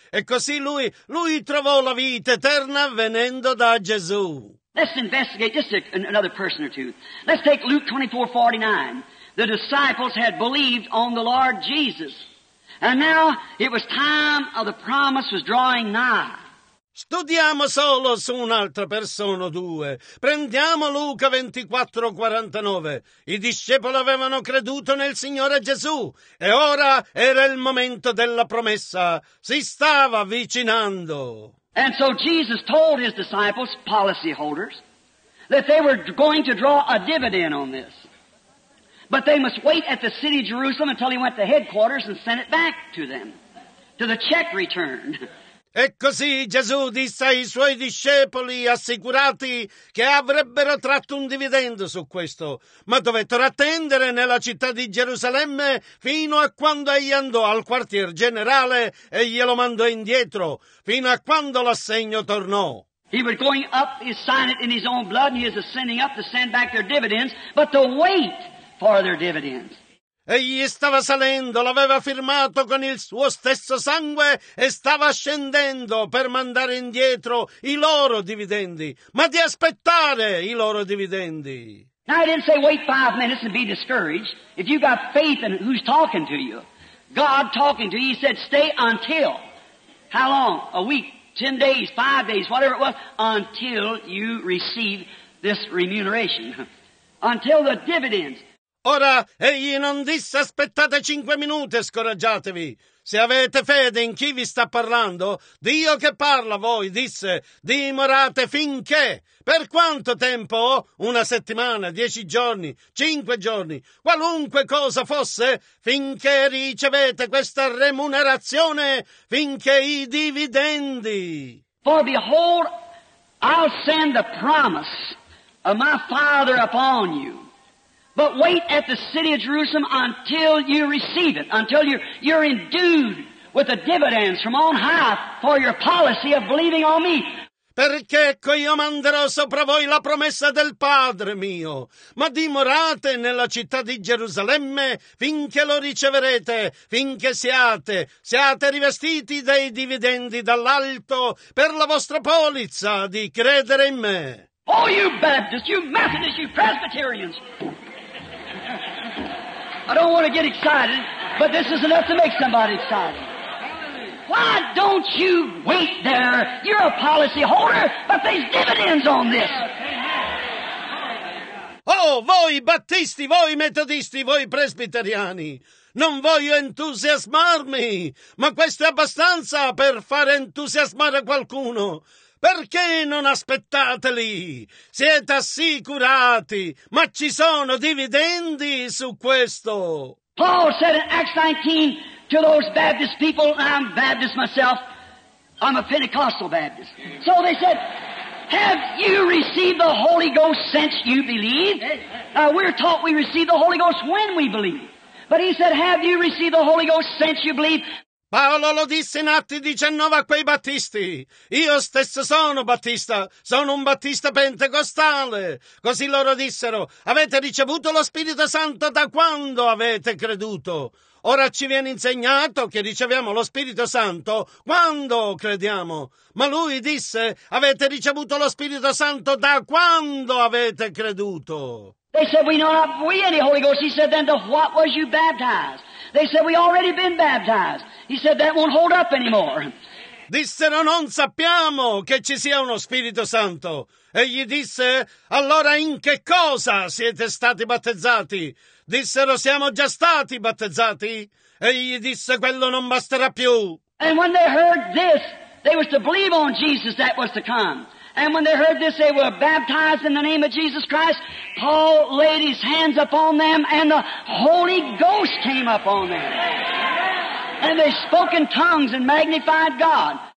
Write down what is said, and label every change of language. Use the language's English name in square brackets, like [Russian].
[Italian] E così lui trovò la vita eterna venendo da Gesù. [English] Let's investigate just another person or two. Let's take Luke 24:49. The disciples had believed on the Lord Jesus. And now it was time of the promise was drawing nigh. [Italian] Studiamo solo su un'altra persona o due. Prendiamo Luca 24:49. I discepoli avevano creduto nel Signore Gesù e ora era il momento della promessa. Si stava avvicinando. [English] And so Jesus told his disciples, policy holders, that they were going to draw a dividend on this. But they must wait at the city of Jerusalem until he went to headquarters and sent it back to them, to the check returned. [Italian] E così Gesù disse ai suoi discepoli assicurati che avrebbero tratto un dividendo su questo, ma dovettero attendere nella città di Gerusalemme fino a quando egli andò al quartier generale e glielo mandò indietro, fino a quando l'assegno tornò. [English] He was going up, he signed it in his own blood, and he is ascending up to send back their dividends, but to wait for their dividends. [Italian] Egli stava salendo, l'aveva firmato con il suo stesso sangue e stava scendendo per mandare indietro i loro dividendi, ma di aspettare i loro dividendi. [English] Now I didn't say wait 5 minutes and be discouraged. If you got faith in who's talking to you, God talking to you, he said stay until, how long, a week, 10 days, 5 days, whatever it was, until you receive this remuneration, until the dividends. [Italian] Ora, egli non disse aspettate 5 minuti e scoraggiatevi. Se avete fede in chi vi sta parlando, Dio che parla a voi, disse, dimorate finché. Per quanto tempo? Una settimana, 10 giorni, 5 giorni, qualunque cosa fosse, finché ricevete questa remunerazione, finché i dividendi. [English] For behold, I'll send the promise of my Father upon you. But wait at the city of Jerusalem until you receive it, until you're endued with the dividends from on high for your policy of believing on me. [Italian] Perché ecco io manderò sopra voi la promessa del Padre mio, ma dimorate nella città di Gerusalemme finché lo riceverete, finché siate rivestiti dei dividendi dall'alto per la vostra polizza di credere in me. [English] Oh, you Baptists, you Methodists, you Presbyterians! I don't want to get excited, but this is enough to make somebody excited. Why don't you wait there? You're a policy holder, but there's dividends on this. [Italian] Oh, voi Battisti, voi Metodisti, voi Presbiteriani, non voglio entusiasmarmi, ma questo è abbastanza per far entusiasmare qualcuno. Perché non aspettateli? Siete assicurati, ma ci sono dividendi su questo. [English] Paul said in Acts 19 to those Baptist people, I'm Baptist myself, I'm a Pentecostal Baptist. So they said, have you received the Holy Ghost since you believe? We're taught we receive the Holy Ghost when we believe. But he said, have you received the Holy Ghost since you believe? [Italian] Paolo lo disse in Atti 19 a quei battisti. Io stesso sono battista, sono un battista pentecostale. Così loro dissero, avete ricevuto lo Spirito Santo da quando avete creduto? Ora ci viene insegnato che riceviamo lo Spirito Santo quando crediamo. Ma lui disse, avete ricevuto lo Spirito Santo da quando avete creduto? [English] They said, we don't have any Holy Ghost. He said, then to what was you baptized? They said, we already been baptized. He said, that won't hold up anymore. [Italian] Dissero, non sappiamo che ci sia uno Spirito Santo. Egli disse, allora in che cosa siete stati battezzati? Dissero, siamo già stati battezzati. Egli disse, quello non basterà più. [English] And when they heard this, they was to believe on Jesus that was to come. And when they heard this, they were baptized in the name of Jesus Christ. Paul laid his hands upon them, and the Holy Ghost came upon them. And they spoke in tongues and magnified God.